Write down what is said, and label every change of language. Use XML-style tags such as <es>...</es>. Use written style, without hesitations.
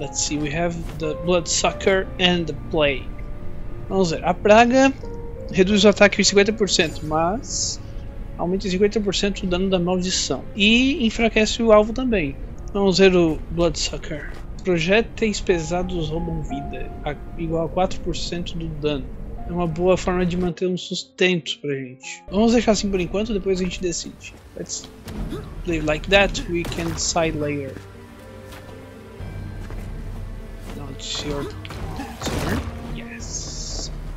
<en>Let's see, we have the Bloodsucker and the Plague.</en> <pt>Vamos ver, a praga reduz o ataque em 50%, mas aumenta em 50% o dano da maldição. E enfraquece o alvo também. Vamos ver o Bloodsucker. Projéteis pesados roubam vida, igual a 4% do dano. É uma boa forma de manter um sustento pra gente. Vamos deixar assim por enquanto, depois a gente decide.</pt> <en>Let's play like that, we can decide later. Now it's your turn. Yes.</en>